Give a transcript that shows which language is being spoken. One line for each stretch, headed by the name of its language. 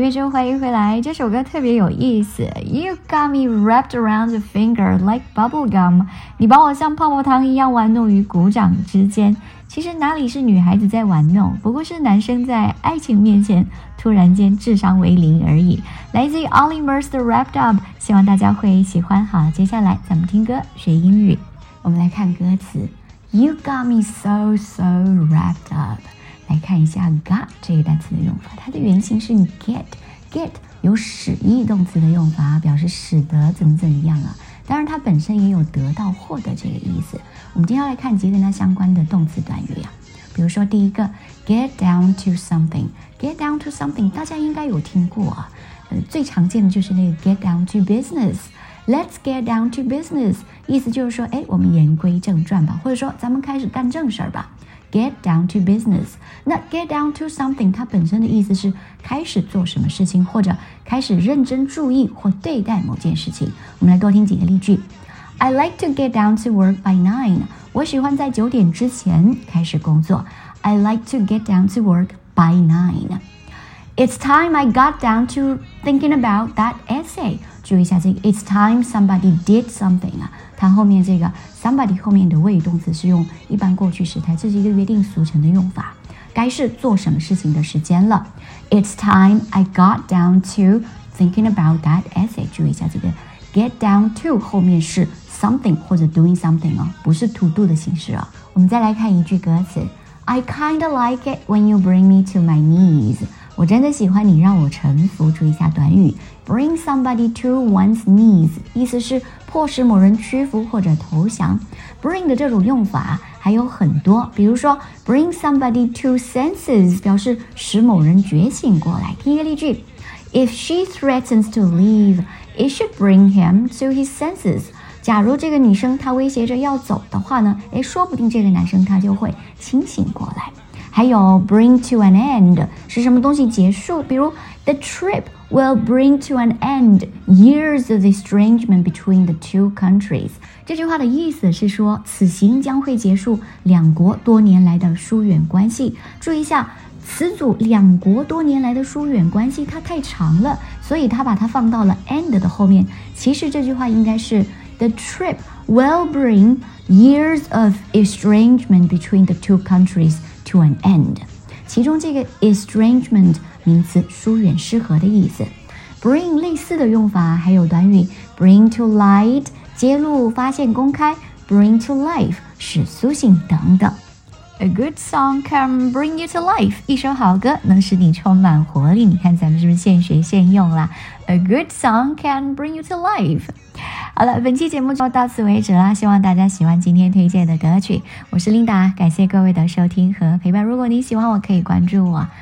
Chinese: 欢迎回来，这首歌特别有意思。
English: You got me wrapped around your finger like bubblegum，
Chinese: 你把我像泡泡糖一样玩弄于鼓掌之间。其实哪里是女孩子在玩弄，不过是男生在爱情面前突然间智商为零而已。来自 Oliver's The Wrapped Up， 希望大家会喜欢。好，接下来咱们听歌学英语。我们来看歌词，
English: You got me so so wrapped up。
Chinese: 来看一下 got 这个单词的用法，它的原型是 getget 有使役动词的用法，表示使得怎么怎么样啊。当然它本身也有得到获得这个意思。我们今天来看几个跟它相关的动词短语啊。比如说第一个 get down to something， get down to something 大家应该有听过啊。最常见的就是那个 get down to business，
English: let's get down to business，
Chinese: 意思就是说，哎，我们言归正传吧，或者说咱们开始干正事吧。
English: get down to business.
Chinese: 那 get down to something 它本身的意思是开始做什么事情，或者开始认真注意或对待某件事情。我们来多听几个例句。
English: I like to get down to work by 9.
Chinese: 我喜欢在九点之前开始工作。
English: I like to get down to work by 9. It's time I got down to thinking about that essay.
Chinese: 注意一下这个
English: It's time somebody did something.
Chinese: 它后面这个 somebody 后面的谓语动词是用一般过去时态，这是一个约定俗成的用法。该是做什么事情的时间了。
English: It's time I got down to thinking about that essay.
Chinese: 注意一下这个Get down to 后面是 something 或者 doing something 哦，不是 to do 的形式哦。我们再来看一句歌词
English: ，I kinda like it when you bring me to my knees。
Chinese: 我真的喜欢你让我臣服。注意一下短语 ，bring somebody to one's knees， 意思是迫使某人屈服或者投降。 Bring 的这种用法还有很多，比如说 bring somebody to senses 表示使某人觉醒过来。听一个例句
English: ，If she threatens to leave。 It should bring him to his senses.
Chinese: 假如这个女生她威胁着要走的话呢，诶，说不定这个男生他就会清醒过来。还有 bring to an end 是什么东西结束，比如
English: The trip will bring to an end years of estrangement between the two countries.
Chinese: 这句话的意思是说此行将会结束两国多年来的疏远关系。注意一下词组两国多年来的疏远关系它太长了，所以它把它放到了 end 的后面。其实这句话应该是
English: The trip will bring years of estrangement between the two countries to an end。
Chinese: 其中这个 estrangement 名词疏远失和的意思。 bring 类似的用法还有短语 bring to light 揭露发现公开， bring to life 使苏醒等等。
English: A good song can bring you to life.
Chinese: 一首好歌能使你充满活力。你看咱们是不是现学现用啦
English: ？A good song can bring you to life.
Chinese: 好了，本期节目就到此为止啦。希望大家喜欢今天推荐的歌曲。我是 Linda， 感谢各位的收听和陪伴。如果你喜欢我，可以关注我。